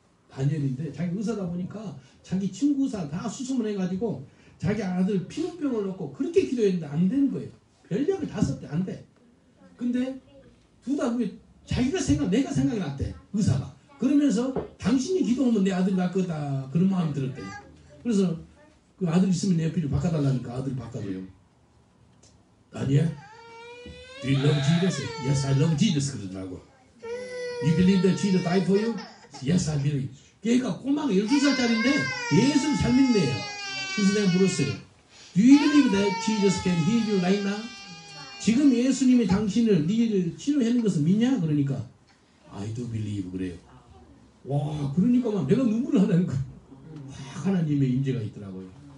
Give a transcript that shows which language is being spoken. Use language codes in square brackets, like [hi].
[ko] 다니엘인데 자기 의사다 보니까 자기 친구 의사 다 수소문해가지고 자기 아들 피부병을 놓고 그렇게 기도했는데 안 되는 거예요. 별약을 다 썼대. 안 돼. 근데 두 달 후에 자기가 생각, 내가 생각이 났대. 의사가. 그러면서 당신이 기도하면 내 아들 날 거다. 그런 마음이 들었대. 그래서 그 아들 있으면 내 옆에 바꿔달라니까 아들 바꿔줘요. [en] 다니엘, Do you love Jesus? Yes, I love Jesus. [ko] 그러더라고. [en] You believe that Jesus died for you? Yes, I believe. [ko] 걔가 꼬마가 12살짜리인데 예수를 잘 믿네요. 그래서 내가 물었어요. [en] Do you believe that Jesus can heal you right now? [ko] 지금 예수님이 당신을 니를 치료하는 것을 믿냐? 그러니까 [en] I do believe [ko] 그래요. 와 그러니까 막 내가 눈물을 하는 거. 와 하나님의 임재가 있더라고요.